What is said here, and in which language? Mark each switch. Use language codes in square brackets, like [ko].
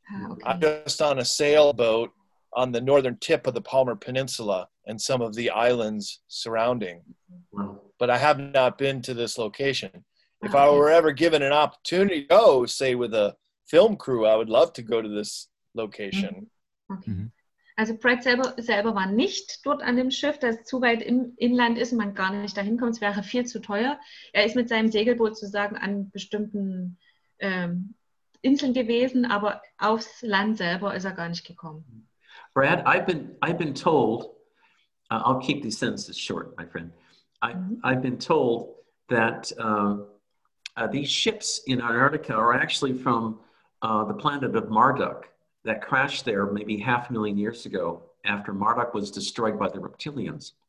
[en] Okay. I'm just on a sailboat on the northern tip of the Palmer Peninsula and some of the islands surrounding. But I have not been to this location. If I were ever given an opportunity to go, say, with a film crew, I would love to go to this location. Okay. [de] Also Brad selber war nicht dort an dem Schiff, das zu weit im Inland ist und man gar nicht dahin kommt. Es wäre viel zu teuer. Er ist mit seinem Segelboot sozusagen an bestimmten Inseln gewesen, aber aufs Land selber ist er gar nicht gekommen. [en] Brad, I've been told, I'll keep these sentences short, my friend. I've been told that these ships in Antarctica are actually from the planet of Marduk that crashed there maybe 500,000 years ago after Marduk was destroyed by the reptilians.